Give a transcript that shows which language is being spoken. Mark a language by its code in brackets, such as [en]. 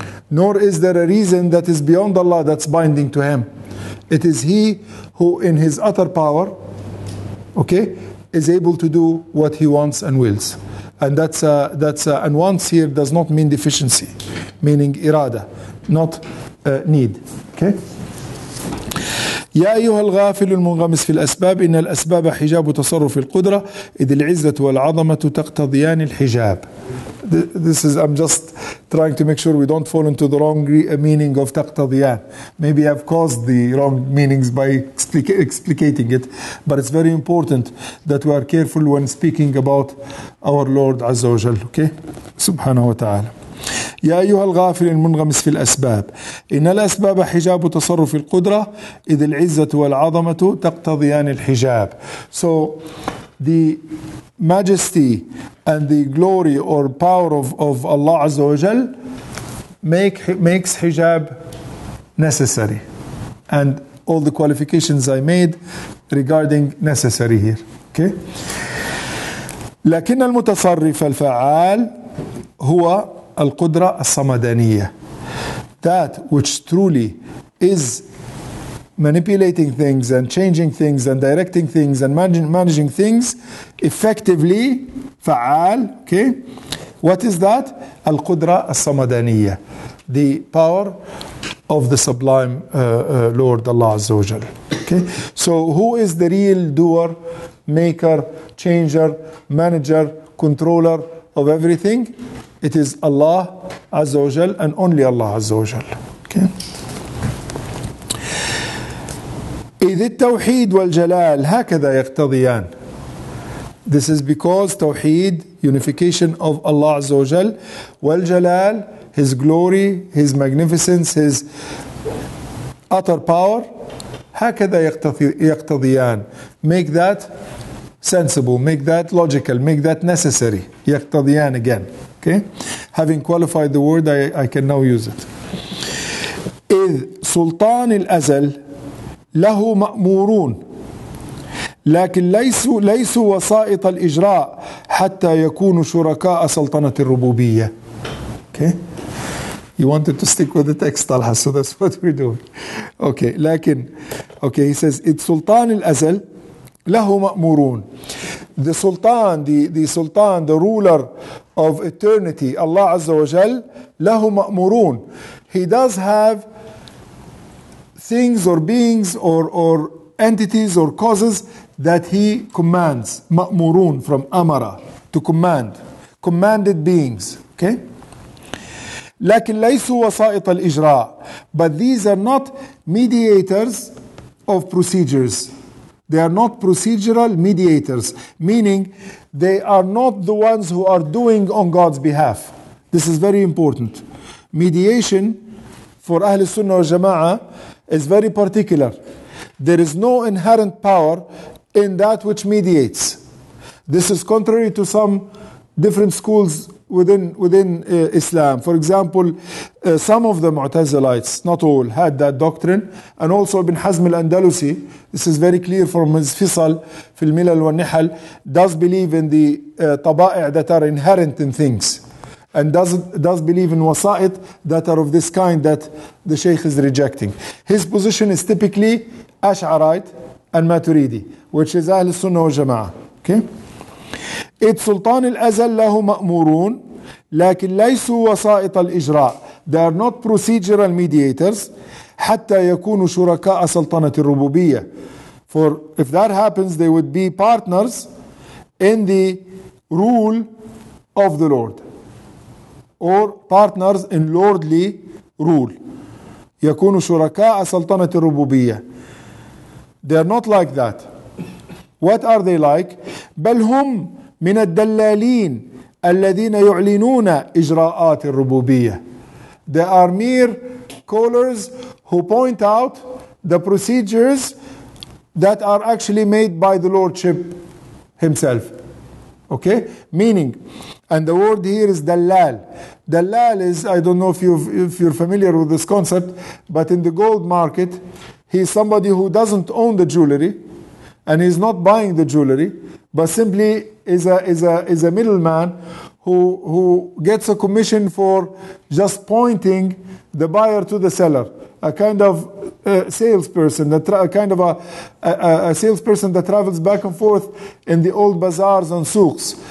[en] Nor is there a reason that is beyond Allah that's binding to him. It is he who in his utter power, okay, is able to do what he wants and wills. And and wants here does not mean deficiency, meaning irada, not need. Okay? [ar] يا أيها الغافل المنغمس في الأسباب، إن الأسباب حجاب تصرف القدرة، إذ العزة والعظمة تقتضيان الحجاب. [en] This is, I'm just trying to make sure we don't fall into the wrong meaning of تقتضيان. Maybe I've caused the wrong meanings by explicating it. But it's very important that we are careful when speaking about our Lord [ar] عز وجل. Okay? سبحانه وتعالى. يا أيها الغافل المنغمس في الأسباب، إن الأسباب حجاب تصرف القدرة، إذ العزة والعظمة تقتضيان الحجاب. [en] So the majesty and the glory or power of Allah [ar] عز وجل [en] makes حجاب necessary. And all the qualifications I made regarding necessary here. Okay. [ar] لكن المتصرف الفعال هو القدرة الصمدانية. [en] That which truly is manipulating things and changing things and directing things and managing things effectively, فعال. Okay. What is that? [ar] القدرة الصمدانية. [en] The power of the sublime Lord Allah [ar] عز وجل. [en] Okay. So who is the real doer, maker, changer, manager, controller of everything? It is Allah Azza wa Jal and only Allah Azza wa Jal. Okay. [ar] إذ التوحيد والجلال هكذا يقتضيان. [en] This is because توحيد, unification of Allah Azza wa Jal, والجلال, His glory, His magnificence, His utter power, [ar] هكذا يقتضيان. [en] Make that sensible, make that logical, make that necessary. يقتضيان again. Okay, having qualified the word, I can now use it. [ar] إذ سلطان الأزل له مأمورون لكن ليسوا وسائط الإجراء حتى يكونوا شركاء سلطنة الربوبية. [en] Okay, you wanted to stick with the text, Talha, so that's what we're doing. [ar] Okay, لكن okay, [en] he says [ar] إذ سلطان الأزل له مأمورون. [en] The Sultan, the Sultan, the ruler of eternity, Allah Azza wa Jal, [ar] له مأمورون. [en] He does have things or beings or entities or causes that he commands. مأمورون from أمرا, to command. Commanded beings. Okay? [ar] لكن ليسوا وسائط الإجراء. [en] But these are not mediators of procedures. They are not procedural mediators, meaning they are not the ones who are doing on God's behalf. This is very important. Mediation for Ahl Sunnah wa Jama'ah is very particular. There is no inherent power in that which mediates. This is contrary to some different schools within Islam. For example, some of the Mu'tazilites, not all, had that doctrine. And also Ibn Hazm al-Andalusi, this is very clear from his Fisal, [ar] في الملل والنحل, [en] does believe in the tabai' that are inherent in things. And does believe in wasa'it that are of this kind that the Shaykh is rejecting. His position is typically Ash'arite and Maturidi, which is Ahl Sunnah wa Jama'ah. Okay? [ar] إذ سلطان الأزل له مأمورون لكن ليسوا وسائط الإجراء. [en] They are not procedural mediators [ar] حتى يكونوا شركاء سلطنة الربوبية. [en] For if that happens, they would be partners in the rule of the Lord or partners in lordly rule. [ar] يكونوا شركاء سلطنة الربوبية. [en] They are not like that. What are they like? [ar] بل هم من الدلالين الذين يعلنون إجراءات الربوبية. [en] They are mere callers who point out the procedures that are actually made by the Lordship himself. Okay? Meaning, and the word here is dallal. Dallal is, I don't know if you're familiar with this concept, but in the gold market, he's somebody who doesn't own the jewelry and he's not buying the jewelry, but simply is a middleman who gets a commission for just pointing the buyer to the seller, a kind of salesperson, a kind of a salesperson that travels back and forth in the old bazaars and souks.